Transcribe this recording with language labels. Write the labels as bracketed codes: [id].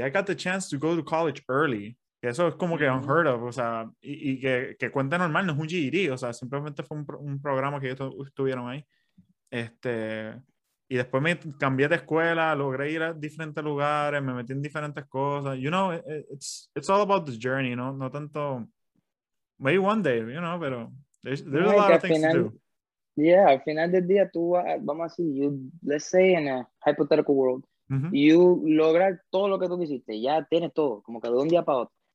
[en] I got the chance to go to college early. [es] Que eso es como que [en] unheard of, [es] o sea, y que cuenta normal, no es un GED, o sea, simplemente fue un programa que ellos estuvieron ahí. Y después me cambié de escuela, logré ir a diferentes lugares, me metí en diferentes cosas. [en] You know, it's all about the journey, [es] ¿no? No tanto, [en] maybe one day, you know, [es] pero [en] there's a lot of things to do. [es] Yeah, al final del día tú, vamos a decir, [en] let's say in a hypothetical world, you [es] lograr todo lo que tú quisiste, ya tienes todo, como que de un día para otro.